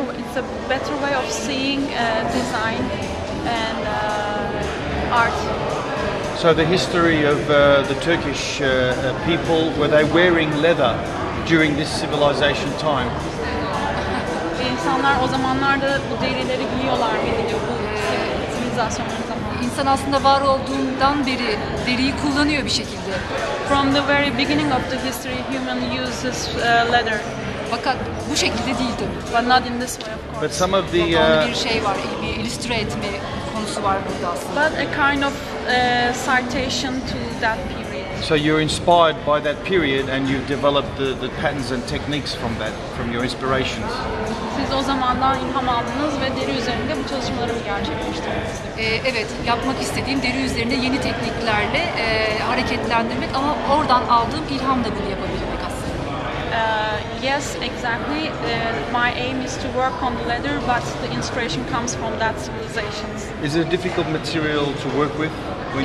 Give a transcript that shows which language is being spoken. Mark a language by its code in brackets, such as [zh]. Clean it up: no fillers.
[en] It's a better way of seeing design and art. So the history of the Turkish people, were they wearing leather during this civilization time? [tr] İnsanlar o zamanlarda bu derileri giyiyorlar mıydı bu sivilizasyonun zamanında? İnsan aslında var olduğundan beri deriyi kullanıyor bir şekilde. [en] From the very beginning of the history, human uses leather. [tr] Fakat bu şekilde değildi. [en] But not in this way, of course. But some of the [tr] bir şey var, bir illüstre etme konusu var burada aslında. [en] But a kind of citation to that period. So you're inspired by that period and you've developed the patterns and techniques from that, from your inspirations. [tr] Siz o zamandan ilham aldınız ve deri üzerinde bu çalışmalarımı gerçekleştirdiniz. Evet, yapmak istediğim deri üzerinde yeni tekniklerle hareketlendirmek ama oradan aldığım ilham da bunu yapabilmek aslında. [en] Yes, exactly. My aim is to work on the leather, but the inspiration comes from that civilization. Is it a difficult material to work with when